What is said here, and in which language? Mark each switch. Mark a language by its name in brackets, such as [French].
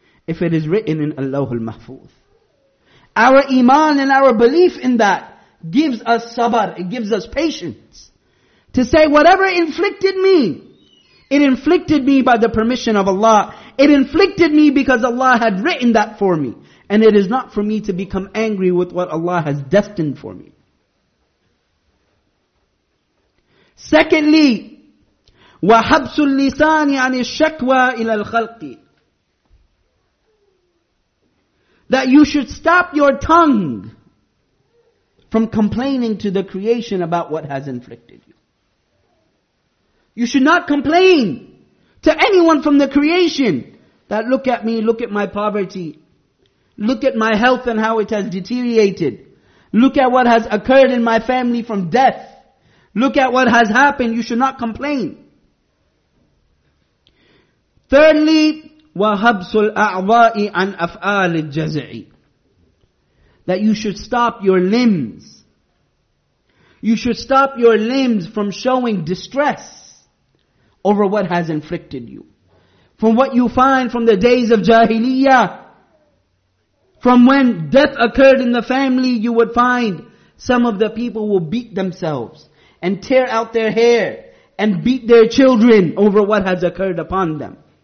[English] if it is written in Allah al-Mahfuz. Our iman and our belief in that gives us sabr, it gives us patience. To say whatever inflicted me, it inflicted me by the permission of Allah. It inflicted me because Allah had written that for me. And it is not for me to become angry with what Allah has destined for me. Secondly, [Arabic] وَحَبْسُ اللِّسَانِ عَنِ الشَّكْوَى إِلَى الْخَلْقِ. [English] That you should stop your tongue from complaining to the creation about what has inflicted you. You should not complain to anyone from the creation that look at me, look at my poverty, look at my health and how it has deteriorated. Look at what has occurred in my family from death. Look at what has happened. You should not complain. Thirdly, [Arabic] وَهَبْسُ الْأَعْضَاءِ عَنْ أَفْآلِ الْجَزِعِ. [English] That you should stop your limbs. You should stop your limbs from showing distress over what has inflicted you. From what you find from the days of Jahiliyyah. From when death occurred in the family, you would find some of the people will beat themselves and tear out their hair and beat their children over what has occurred upon them.